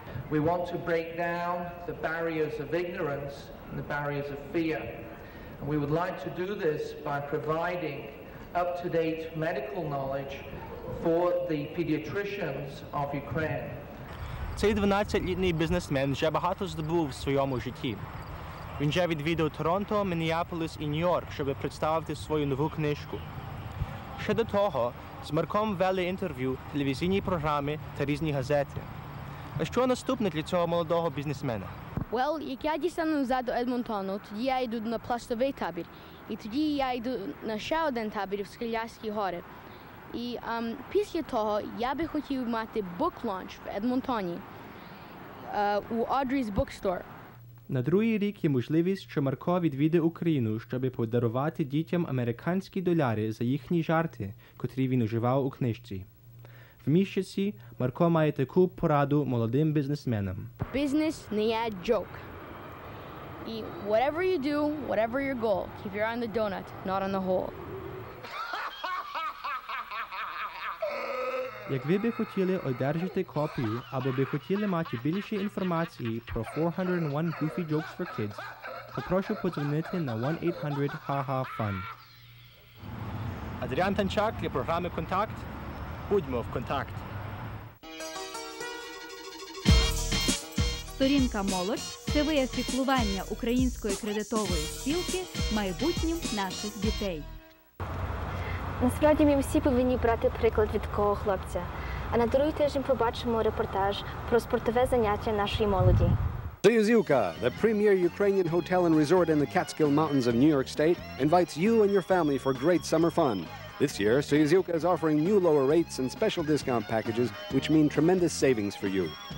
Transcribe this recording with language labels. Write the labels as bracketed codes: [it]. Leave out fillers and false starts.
[en] We want to break down the barriers of ignorance and the barriers of fear. And we would like to do this by providing up-to-date medical knowledge for the pediatricians of Ukraine. [uk] Цей 12-літній бізнесмен вже багато здобув в своєму житті. Він вже відвідав Торонто, Міннеаполіс і Нью-Йорк, щоб представити свою нову книжку. Ще до того, з Марком вели інтерв'ю, телевізійні програми та різні газети. А що наступне для цього молодого бізнесмена? Well, як я дістану назад до Едмонтону, тоді я йду на пластовий табір. І тоді я йду на ще один табір в Скелярські гори. І після того я би хотів мати [en] book launch [uk] в Едмонтоні у Audrey's Bookstore. На другий рік є можливість, що Марко відвіде Україну, щоб подарувати дітям американські доляри за їхні жарти, котрі він уживав у книжці. В місяці Марко має таку пораду молодим бізнесменам. Business не є джок. [en] І whatever you do, whatever your goal, keep your eye on the donut, not on the hole. [uk] Як ви би хотіли одержати копію, або би хотіли мати більше інформації про 401 Goofy Jokes for Kids, то прошу подзвонити на 1-800-HAHA-FUN. Адріан Танчак для програми «Контакт». Будьмо в контакт! Сторінка «Молодь» – це вияв спілкування української кредитової спілки майбутнім наших дітей. Насправді ми всі повинні брати приклад від такого хлопця. А на другий тиждень побачимо репортаж про спортове заняття нашої молоді. [en] Zyuzyuka, the premier Ukrainian hotel and resort in the Catskill Mountains of New York State, invites you and your family for great summer fun. This year, Zyuzyuka is offering new lower rates and special discount packages, which mean tremendous savings for you.